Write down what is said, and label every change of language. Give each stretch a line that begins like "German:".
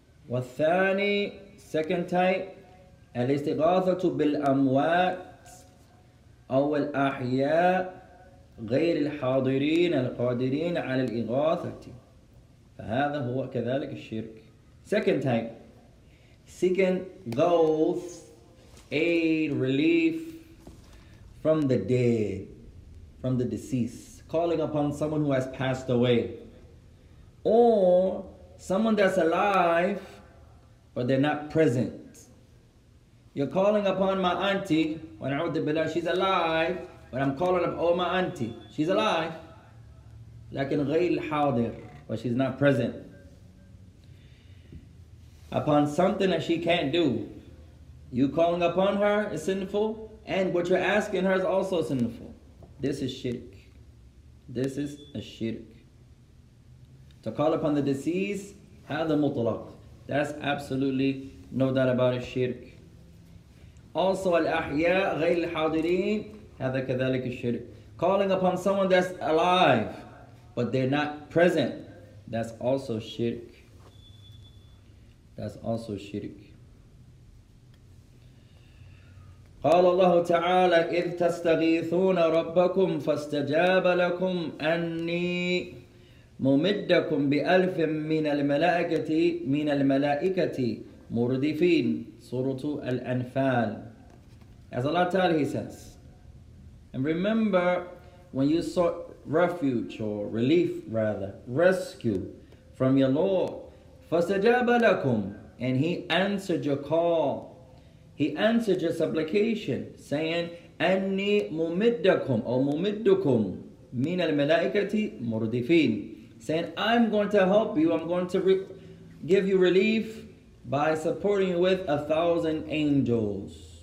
Arabic: والثاني,
English: second type,
Arabic: الاستغاثة بالأموات. أو الأحياء غير الحاضرين القادرين على الإغاثة فهذا هو كذلك الشرك.
English: Second type, seeking ghawth, aid, relief from the dead, from the deceased, calling upon someone who has passed away, or someone that's alive but they're not present. You're calling upon my auntie, when I would be like, she's alive, but I'm calling up, oh, my auntie, she's alive. Like in
Arabic: غير الحاضر,
English: but she's not present. Upon something that she can't do. You calling upon her is sinful, and what you're asking her is also sinful. This is shirk. This is a shirk. To call upon the deceased,
Arabic: هذا مطلق.
English: That's absolutely no doubt about a shirk. Also,
Arabic: الأحياء غير الحاضرين هذا كذلك الشرك.
English: Calling upon someone that's alive, but they're not present. That's also shirk. That's also shirk.
Arabic: قال الله تعالى إذ تستغيثون ربكم فاستجاب لكم أني ممدكم بألف من الملائكة مردفين. سورة الأنفال.
English: As Allah Ta'ala, He says, and remember when you sought refuge or relief rather, rescue from your Lord,
Arabic: فَاسْتَجَابَ لَكُمْ,
English: and He answered your call, He answered your supplication, saying,
Arabic: أَنِّي مُمِدَّكُمْ أو مُمِدُّكُمْ مِنَ الْمَلَائِكَةِ مُرْدِفِينَ,
English: saying, I'm going to help you, I'm going to give you relief by supporting you with 1,000 angels.